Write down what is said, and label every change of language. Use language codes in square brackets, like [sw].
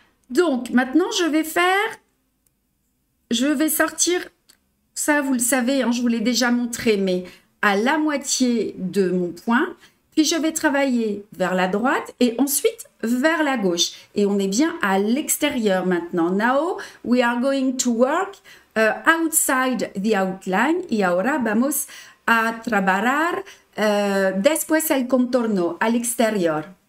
[fr] Donc, maintenant, je vais sortir, ça vous le savez, hein, je vous l'ai déjà montré, mais à la moitié de mon point. Puis je vais travailler vers la droite et ensuite vers la gauche. Et on est bien à l'extérieur maintenant. [en] Now we are going to work outside the outline. [es] Y ahora vamos a trabajar después el contorno, [fr] à l'extérieur.